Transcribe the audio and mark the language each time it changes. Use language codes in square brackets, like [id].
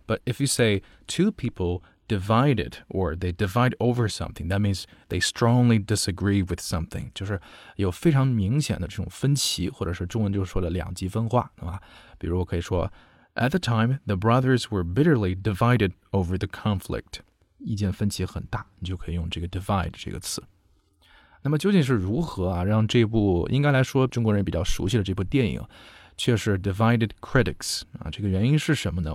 [en] But if you say two people divided or they divide over something, that means they strongly disagree with something, [zh] 就是有非常明显的这种分歧，或者是中文就是说的两极分化，对吧？比如我可以说 [en] At the time, the brothers were bitterly divided over the conflict. [zh] 意见分歧很大，你就可以用这个 divide 这个词。那么究竟是如何啊，让这部应该来说中国人比较熟悉的这部电影，却是 divided critics 啊？这个原因是什么呢？